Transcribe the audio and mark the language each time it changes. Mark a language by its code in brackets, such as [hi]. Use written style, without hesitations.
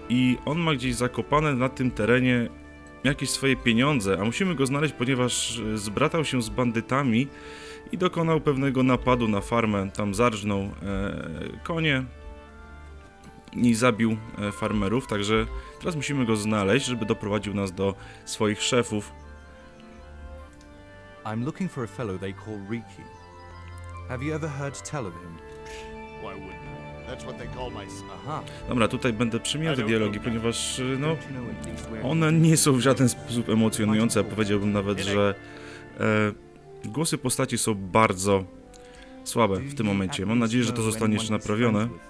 [pl] I on ma gdzieś zakopane na tym terenie jakieś swoje pieniądze, a musimy go znaleźć, ponieważ zbratał się z bandytami i dokonał pewnego napadu na farmę. Tam zarżnął konie i zabił farmerów, także teraz musimy go znaleźć, żeby doprowadził nas do swoich szefów. [en] I'm looking for a fellow they call Ricky. Have you ever heard tell of him? Why wouldn't I? That's what they call my son. [pl] Dobra, tutaj będę przemijał te dialogi, ponieważ one nie są w żaden sposób emocjonujące, a powiedziałbym nawet, że głosy postaci są bardzo słabe w tym momencie. Mam nadzieję, że to zostanie jeszcze naprawione.